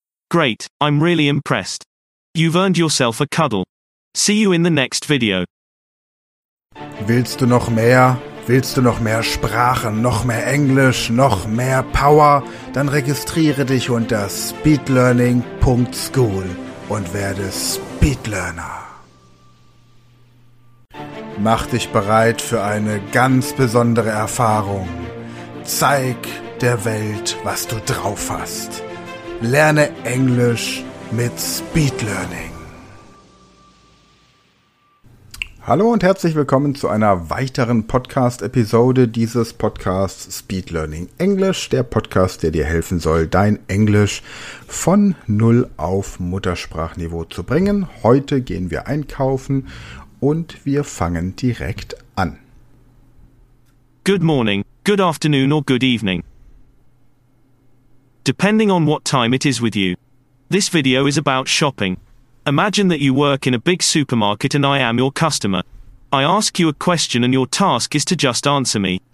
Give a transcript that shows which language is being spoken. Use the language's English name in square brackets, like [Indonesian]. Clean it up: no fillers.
[English] Great, I'm really impressed. You've earned yourself a cuddle. See you in the next video. [German] Willst du noch mehr? Willst du noch mehr Sprachen, noch mehr Englisch, noch mehr Power? Dann registriere dich unter speedlearning.school und werde Speedlearner. Mach dich bereit für eine ganz besondere Erfahrung. Zeig der Welt, was du drauf hast. Lerne Englisch mit Speedlearning. Hallo und herzlich willkommen zu einer weiteren Podcast-Episode dieses Podcasts Speed Learning English, der Podcast, der dir helfen soll, dein Englisch von Null auf Muttersprachniveau zu bringen. Heute gehen wir einkaufen und wir fangen direkt an. [English] Good morning, good afternoon or good evening. Depending on what time it is with you. This video is about shopping. Imagine that you work in a big supermarket and I am your customer. I ask you a question and your task is to just answer me.